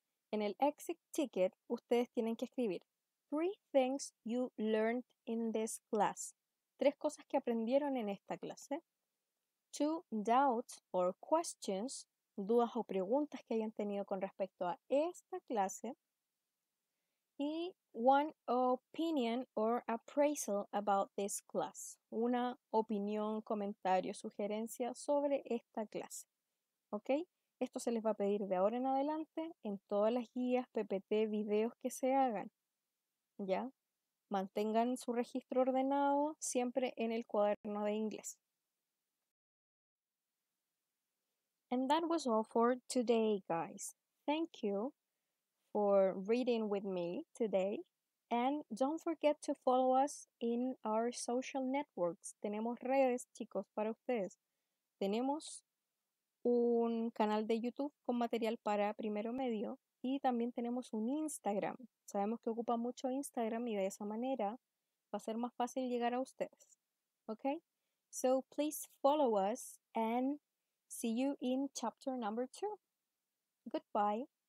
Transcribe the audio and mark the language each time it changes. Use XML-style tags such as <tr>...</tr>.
<es>En el exit ticket ustedes tienen que escribir</es> <en>three things you learned in this class.</en> <es>Tres cosas que aprendieron en esta clase.</es> <en>Two doubts or questions.</en> <es>Dudas o preguntas que hayan tenido con respecto a esta clase.</es> <en>Y one opinion or appraisal about this class.</en> <es>Una opinión, comentario, sugerencia sobre esta clase. ¿Ok? Esto se les va a pedir de ahora en adelante en todas las guías, PPT, videos que se hagan. ¿Ya? Mantengan su registro ordenado siempre en el cuaderno de inglés.</es> <en>And that was all for today, guys. Thank you for reading with me today. And don't forget to follow us in our social networks.</en> <es>Tenemos redes, chicos, para ustedes. Tenemos un canal de YouTube con material para primero medio. Y también tenemos un Instagram. Sabemos que ocupa mucho Instagram y de esa manera va a ser más fácil llegar a ustedes.</es> <en>Okay? So please follow us and see you in chapter number 2. Goodbye.</en>